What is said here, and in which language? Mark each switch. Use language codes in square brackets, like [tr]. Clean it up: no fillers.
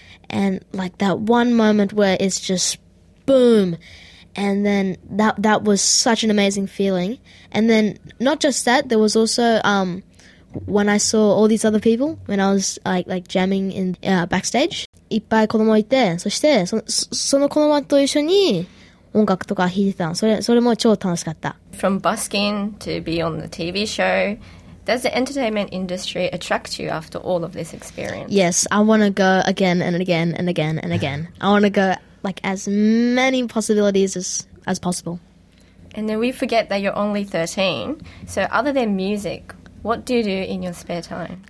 [en] And like that one moment where it's just boom. And then that was such an amazing feeling. And then not just that, there was also when I saw all these other people, when I was like jamming in backstage. [ja] いっぱい子供いて、そしてその子供と一緒に音楽とか弾いてたの。それも超楽しかった。 [en] From busking to be on the TV show, does the entertainment industry attract you after all of this experience? Yes, I want to go again and again and again and again. I want to go like as many possibilities as possible. And then we forget that you're only 13. So other than music, what do you do in your spare time?